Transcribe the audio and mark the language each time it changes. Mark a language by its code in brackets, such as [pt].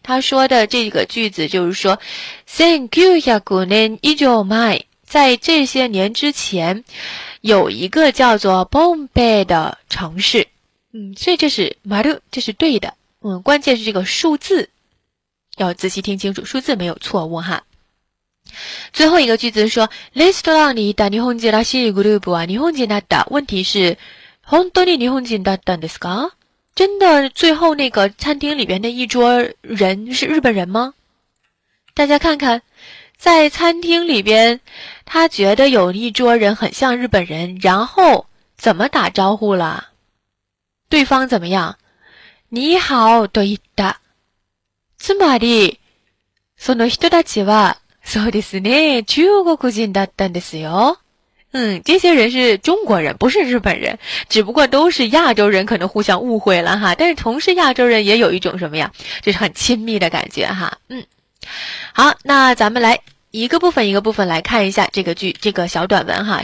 [zh] 他说的这个句子就是说1900年以上前，在这些年之前，有一个叫做ボンベイ的城市。所以这是丸，这是对的。关键是这个数字，要仔细听清楚，数字没有错误哈。最后一个句子说， [ja] レストランにいた日本人らしいグループは日本人だった。问题是，本当に日本人だったんですか？ [zh] 真的，最后那个餐厅里边的一桌人是日本人吗？大家看看，在餐厅里边，他觉得有一桌人很像日本人，然后怎么打招呼了？对方怎么样？你好， [ja] と言った。つまり、その人たちは。そうですね、中国人だったんですよ。 [zh] 这些人是中国人，不是日本人，只不过都是亚洲人，可能互相误会了哈。但是同是亚洲人，也有一种什么呀，就是很亲密的感觉哈。好，那咱们来一个部分一个部分来看一下这个剧，这个小短文哈。